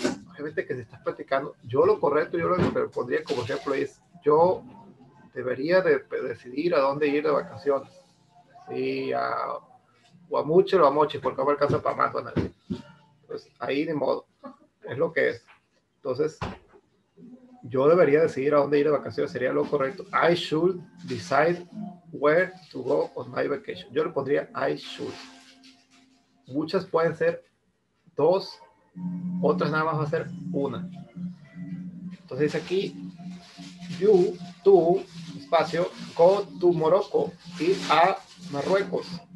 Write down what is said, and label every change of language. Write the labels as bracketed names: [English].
[Spanish] Obviamente que si estás platicando, yo lo correcto, yo lo pondría como ejemplo, es yo debería de decidir a dónde ir de vacaciones. Sí, a Guamuche o a Moche, porque no me alcanza para más, van a decir. Pues ahí ni modo, es lo que es. Entonces, yo debería decidir a dónde ir de vacaciones, sería lo correcto. [English] I should decide where to go on my vacation. [Spanish] Yo le pondría [English] I should. [Spanish] Muchas pueden ser dos, otras nada más va a ser una. Entonces dice aquí, you, tú, espacio, [English] go to Morocco, [Spanish] ir a Marruecos.